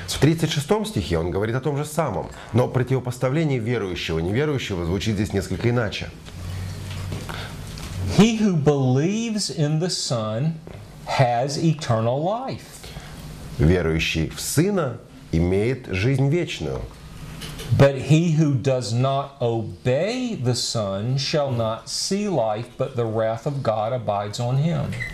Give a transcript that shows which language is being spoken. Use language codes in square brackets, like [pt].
[ru] В 36 стихе он говорит о том же самом, но противопоставление верующего и неверующего звучит здесь несколько иначе. [en] He who believes in the Son has eternal life. [ru] Верующий в Сына имеет жизнь вечную. [en] But he who does not obey the Son shall not see life, but the wrath of God abides on him.